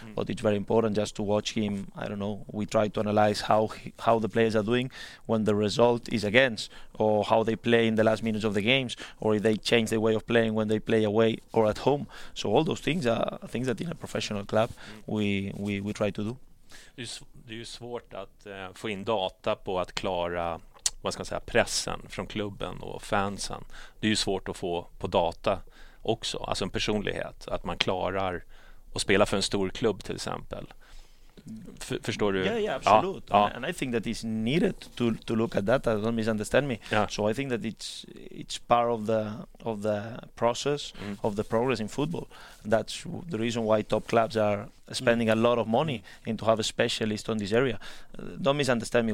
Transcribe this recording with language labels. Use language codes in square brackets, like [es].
[en] But it's very important just to watch him. I don't know, we try to analyze how the players are doing when the result is against, or how they play in the last minutes of the games, or if they change their way of playing when they play away or at home. So all those things are things that in a professional club we try to do. [sv] Det är ju svårt att få in data på att klara, vad ska man säga, pressen från klubben och fansen. Det är ju svårt att få på data också, alltså en personlighet, att man klarar att spela för en stor klubb till exempel. Förstår du? Absolut. Ja. [en] And I think that it's needed to look at data. Don't misunderstand me. Yeah. So I think that it's part of the process of the progress in football. That's the reason why top clubs are spending a lot of money into have a specialist on this area. Don't misunderstand me.